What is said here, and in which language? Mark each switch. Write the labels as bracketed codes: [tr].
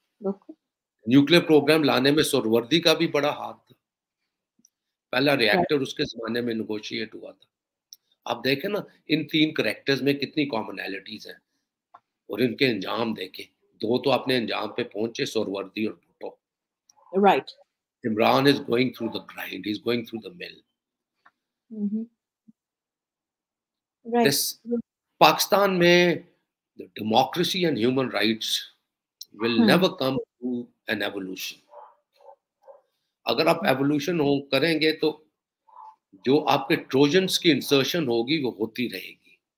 [ur] Nuclear programme لانے میں سوروردی کا بھی بڑا ہاتھ تھا, پہلا ریئیکٹر اس کے زمانے میں نیگوشیٹ ہوا تھا. آپ دیکھیں نا ان تین کریکٹرز میں کتنی کامنالٹیز ہیں, اور ان کے انجام دیکھیں, دو تو اپنے انجام پہ پہنچے, سوروردی اور Bhutto. [en] Right, Imran is going through the grind, he is going through the mill. Pakistan میں democracy and human rights will never come to an evolution. [ur] اگر آپ ایولیوشن کریں گے تو جو آپ کے ٹروجنز کی انسرشن ہوگی وہ ہوتی رہے گی.